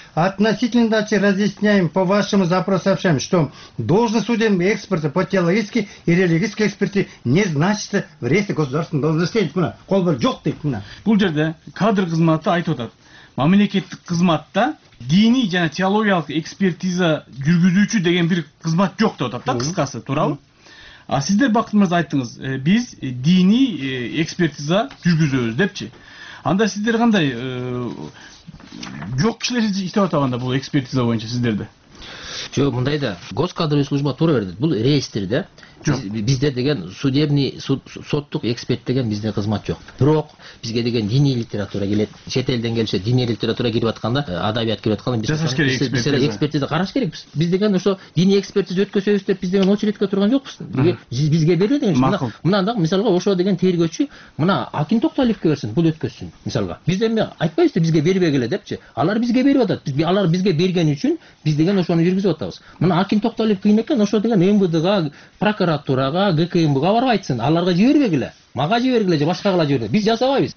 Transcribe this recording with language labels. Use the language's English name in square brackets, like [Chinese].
[Russian] Относительно дачи разъясняем по вашему запросу сообщаем, что должность судебного эксперта по теологической и религиозной экспертизе не значится в реестре государственных должностей [Kyrgyz] дейт мына. Кол бар жок дейт мына. Бул жерде кадр кызматы айтып атат. Мамлекеттик кызматта диний жана теологиялык экспертиза жүргүзүүчү деген бир кызмат жок деп атат да, кыскасы, туурабы? А сиздер Бакыт Мырза айттыңыз, биз диний экспертиза жүргүзөбүз депчи. Анда сиздер кандай жок кишилерди иштеп атабыз анда бул экспертиза боюнча сиздерде? Жок, мындай да. Госкадровый служба туура берди. Бул реестр да. Бизде деген судебный соттук эксперт деген бизде кызмат жок. Бирок бизге деген диний литература келет. Чет элден келсе диний литература келип атканда, адабият келип атканда биз бизге экспертиза караш керекпиз. Биз деген ошо диний экспертиза өткөзөбүз деп биз деген очередке турган жокпуз. Бизге берди деген мына да мисалга ошо деген тергөөчү мына Акин Токтолевке берсин, бул өткөзсүн мисалга. Биз эми айтпайбыз да бизге бербегиле депчи. Алар бизге берип атат. Алар бизге берген үчүн биз деген ошону жүргүзүп атабыз. Мына Акин Токтолев кийин экен ошо деген МВДга прокуратурага, ГКМБга барып айтсын, аларга жибербегиле, мага жибергиле же башкага жибергиле. Биз жасабайбыз.